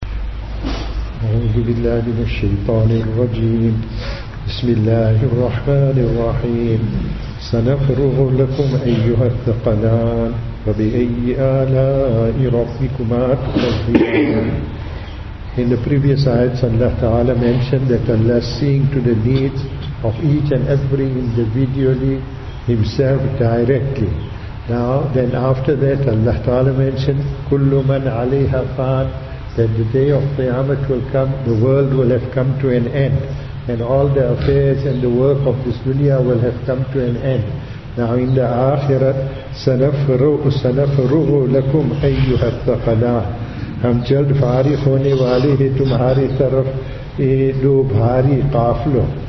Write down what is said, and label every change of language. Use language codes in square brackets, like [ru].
[ar] أعوذ بالله من الشيطان الرجيم. بسم الله الرحمن الرحيم. سنفرغ لكم أيها الثقلان فبأي آلاء ربكما تكذبان. [en] In the previous ayats, Allah Ta'ala mentioned that Allah is seeing to the needs of each and every individually, Himself directly. Now, then after that, Allah Ta'ala mentioned, [ar] كُلُّ مَنْ عَلَيْهَا فَانْ, [en] that the day of Qiyamah will come, the world will have come to an end, and all the affairs and the work of this dunya will have come to an end. Now in the Akhirah, [ar] سَنَفْرُغُ لَكُمْ أَيُّهَا الثَّقَلَانِ, [ur] ہم جلد فارغ ہونے والے ہیں تمہاری طرف اے دو بھاری قافلوں.